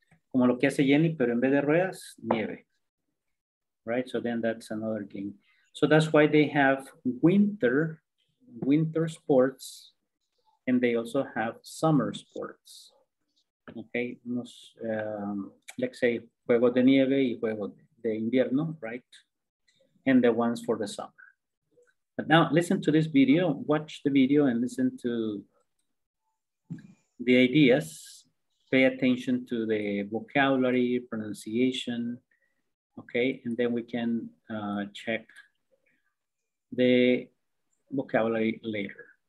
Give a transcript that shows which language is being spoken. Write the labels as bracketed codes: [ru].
[es] Como lo que hace Jenny, pero en vez de ruedas, nieve, [en] right? So then that's another game. So that's why they have winter sports, and they also have summer sports. Okay, let's say [es] juegos de nieve y juegos de invierno, [en] right? And the ones for the summer. But now listen to this video, watch the video and listen to the ideas. Pay attention to the vocabulary, pronunciation, okay? And then we can check the vocabulary later.